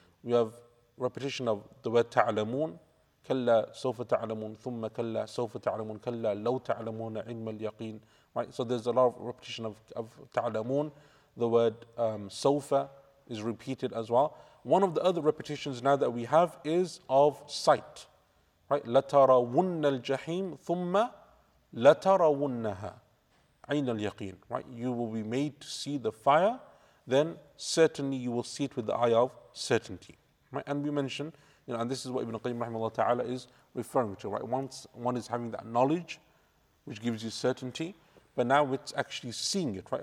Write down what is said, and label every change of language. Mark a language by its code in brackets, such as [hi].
[en] We have repetition of the word ta'alamun, kalla sawfa ta'alamun, thumma kalla sawfa ta'alamun, kalla law ta'alamun ilma al-yaqeen, right? So there's a lot of repetition of ta'alamun. The word sawfa is repeated as well. One of the other repetitions now that we have is of sight, right? [ar] لَتَرَوُنَّ الْجَحِيمُ ثُمَّ لَتَرَوُنَّهَا عَيْنَ الْيَقِينَ, right? [en] You will be made to see the fire, then certainly you will see it with the eye of certainty. Right? And we mentioned, you know, and this is what Ibn Qayyim rahimahullah ta'ala is referring to, right? Once one is having that knowledge, which gives you certainty, but now it's actually seeing it, right?